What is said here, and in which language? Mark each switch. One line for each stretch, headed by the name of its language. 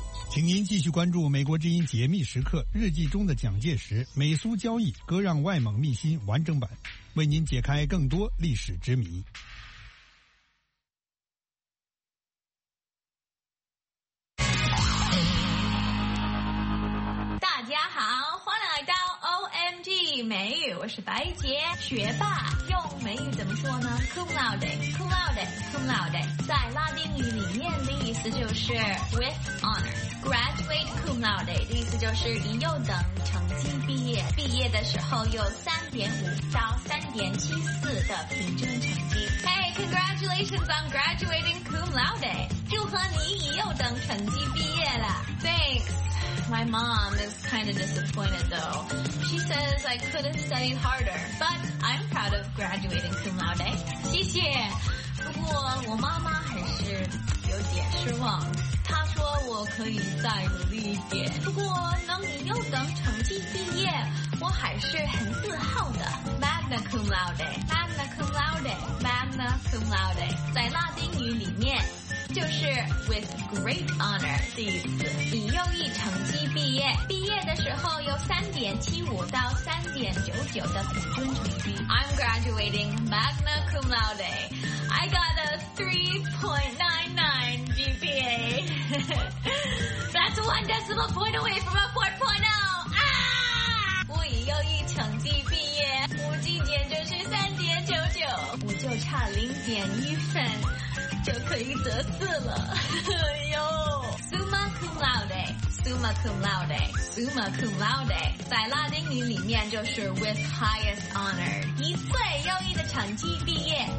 Chinese: 请您继续关注《美国之音解密时刻》日记中的蒋介石美苏交易割让外蒙密辛完整版，为您解开更多历史之谜。大家好，欢迎来到 OMG 美语，我是白洁学霸。用美语怎么说呢 ？Cum laude, cum laude, cum laude。在拉丁语里面的意思就是
English: with honor。
Chinese: Graduate cum laude 的意思就是以优等成绩毕业，毕业的时候有3.5到3.74的平均成绩。
English: Hey, congratulations on graduating cum laude！
Chinese: 祝贺你以优等成绩毕业了。
English: Thanks。 My mom is kind of disappointed though. She says I could have studied harder, but I'm proud of graduating cum laude.
Chinese: 谢谢。不过我妈妈还是有点失望。她说我可以再努力一点。不过能以优等成绩毕业，我还是很自豪的。
Latin: Magna cum laude, magna cum laude, magna cum laude。
Chinese: 在拉丁语里面就是
English: with great honor
Chinese: 的意思，以优异成绩毕业，毕业的时候有3.75到3.99的平均成绩。
English: I'm graduating magna cum laude. I got a 3.99 GPA. That's one decimal point away from a 4.0.
Chinese: 啊！我以优异成绩毕业，我今年就是3.99，我就差0.1分。就可以得四了，哎呦 ！Summa cum laude, summa cum laude, summa cum laude， 在拉丁语里面就是
English: with highest honor，
Chinese: 以最优异的成绩毕业。